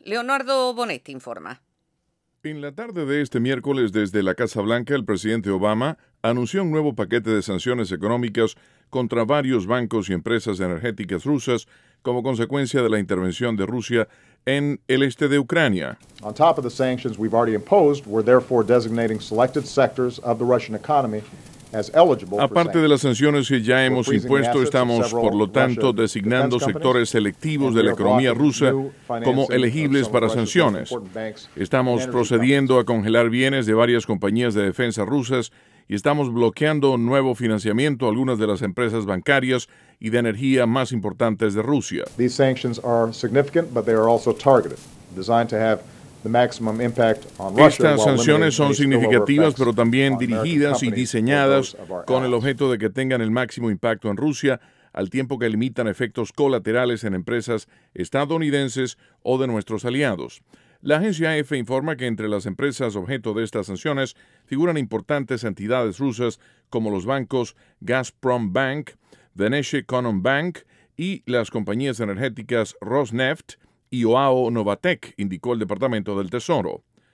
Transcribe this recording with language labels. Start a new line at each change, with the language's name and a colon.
Spanish: Leonardo Bonetti informa. En la tarde de este miércoles, desde la Casa Blanca, el presidente Obama anunció un nuevo paquete de sanciones económicas contra varios bancos y empresas energéticas rusas como consecuencia de la intervención de Rusia en el este de Ucrania.
English: On top of the sanctions we've already imposed, we're therefore designating selected sectors of the Russian economy.
Spanish: Aparte de las sanciones que ya hemos impuesto, estamos, por lo tanto, designando sectores selectivos de la economía rusa como elegibles para sanciones. Estamos procediendo a congelar bienes de varias compañías de defensa rusas y estamos bloqueando nuevo financiamiento a algunas de las empresas bancarias y de energía más importantes de Rusia.
English: These sanctions are significant, but they are also targeted, designed to have the maximum impact on Russia.
Spanish: Estas sanciones son significativas, pero también dirigidas y diseñadas con el objeto de que tengan el máximo impacto en Rusia, al tiempo que limitan efectos colaterales en empresas estadounidenses o de nuestros aliados. La agencia EFE informa que entre las empresas objeto de estas sanciones figuran importantes entidades rusas como los bancos Gazprom Bank, Veneshe Konom Bank y las compañías energéticas Rosneft y OAO Novatek, indicó el Departamento del Tesoro.